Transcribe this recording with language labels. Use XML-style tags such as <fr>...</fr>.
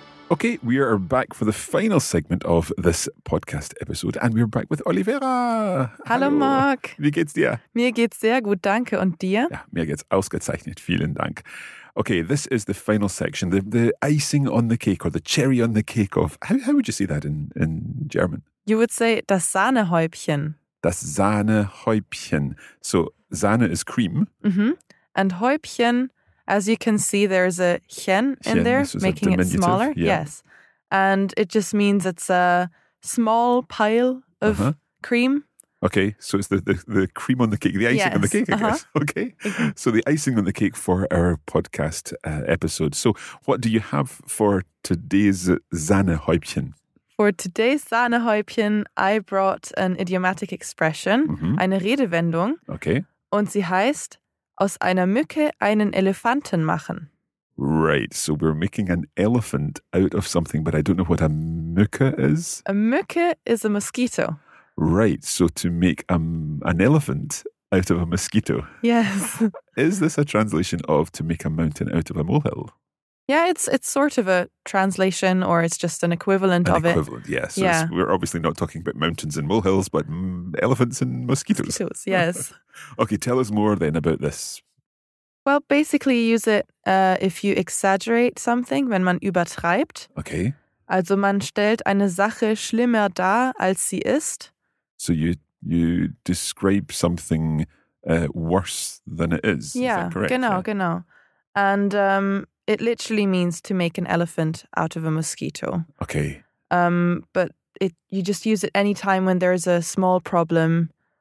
<en>Okay, we are back for the final segment of this podcast episode. And we're back with Olivera.</en> <de>Hallo, Mark. Wie geht's dir? Mir geht's sehr gut, danke. Und dir? Ja, mir geht's ausgezeichnet. Vielen Dank.</de> <en>Okay, this is the final section, the icing on the cake or the cherry on the cake of, how would you say that in German? You would say</en> <de>das Sahnehäubchen.</de> <en>Das Sahnehäubchen. So Sahne is cream. Mm-hmm. And Häubchen, as you can see, there's a chen in there, making it smaller. Yeah. Yes. And it just means it's a small pile of uh-huh. cream. Okay, so it's the cream on the cake, the icing yes. on the cake, I uh-huh. guess. Okay, so the icing on the cake for our podcast episode. So what do you have for today's Sahnehäubchen? For today's Sahnehäubchen, I brought an idiomatic expression, mm-hmm.</en> <de>eine Redewendung.</de> <en>Okay.</en> <de>Und sie heißt, aus einer Mücke einen Elefanten machen.</de> <en>Right, so we're making an elephant out of something, but I don't know what a Mücke is. A Mücke is a mosquito. Right, so to make an elephant out of a mosquito. Yes. Is this a translation of to make a mountain out of a molehill? Yeah, it's sort of a translation, or it's just an equivalent an of equivalent, it. Equivalent, yeah. So yeah. We're obviously not talking about mountains and molehills, but elephants and mosquitoes. Mosquitoes, yes. Okay, tell us more then about this. Well, basically you use it if you exaggerate something,</en> <de>wenn man übertreibt.</de> <en>Okay.</en> <de>Also man stellt eine Sache schlimmer dar, als sie ist.</de> <en>So you describe something worse than it is. Yeah, is that correct?</en> <de>Genau, yeah. genau.</de> <en>And it literally means to make an elephant out of a mosquito. Okay. But you just use it any time when there is a small problem.</en>